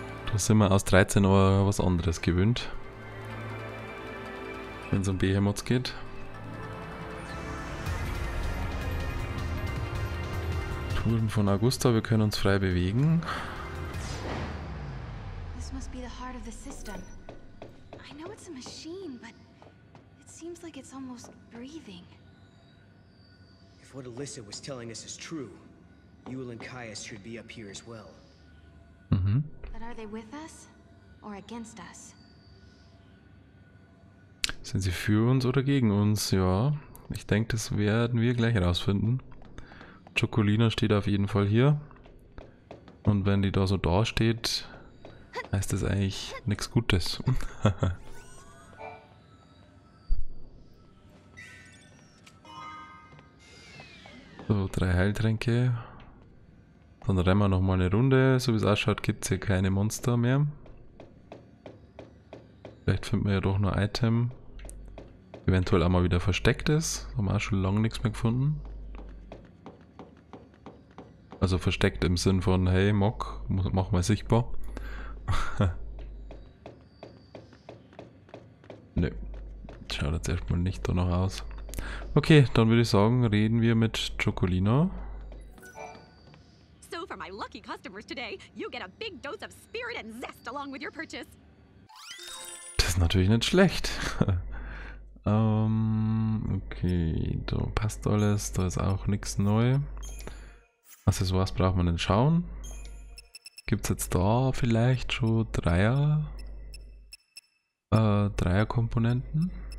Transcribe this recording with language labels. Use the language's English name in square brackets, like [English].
[German] Da sind wir aus 13 aber was anderes gewöhnt. Wenn es um Behemoths geht. Touren von Augusta, wir können uns frei bewegen. [English] This must be the heart of the system. I know it's a machine, but it seems like it's almost breathing. If what Alyssa was telling us is true, Yule and Caius should be up here as well. Mm-hmm. But are they with us or against us? [German] Sind sie für uns oder gegen uns? Ja, ich denke, das werden wir gleich herausfinden. Chocolina steht auf jeden Fall hier. Und wenn die da so da steht, heißt das eigentlich nichts Gutes. So, drei Heiltränke. Dann rennen wir nochmal eine Runde. So wie es ausschaut, gibt es hier keine Monster mehr. Vielleicht finden wir ja doch nur ein Item. Eventuell auch mal wieder versteckt ist. Haben wir auch schon lange nichts mehr gefunden. Also versteckt im Sinn von, hey Mock, mach mal sichtbar. Nö. Schaut jetzt erstmal nicht danach aus. Okay, dann würde ich sagen, reden wir mit Chocolina. [English] So for my lucky customers today, you get a big dose of spirit and zest along with your purchase. [German] Das ist natürlich nicht schlecht. okay, da passt alles, da ist auch nichts neu. Accessoires braucht man nicht schauen. Gibt's jetzt da vielleicht schon Dreier-Komponenten?